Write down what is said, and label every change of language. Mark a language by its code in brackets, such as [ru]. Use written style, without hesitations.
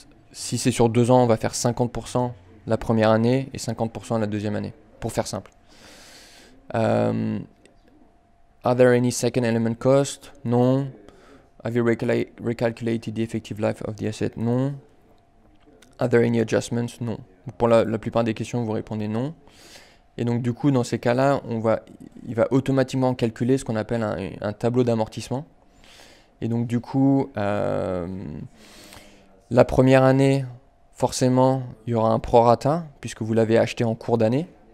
[fr] Si c'est sur 2 ans, on va faire 50% la première année et 50% la deuxième année, pour faire simple. [en] Are there any second element cost? [fr] Non. [en] Have you recalculated the effective life of the asset? [fr] Non. [en] Are there any adjustments? [fr] Non. Pour la plupart des questions, vous répondez non. Et donc du coup, dans ces cas-là, il va automatiquement calculer ce qu'on appelle un tableau d'amortissement. Et donc du coup, la première année, forcément, il y aura un prorata, puisque vous l'avez acheté en cours d'année.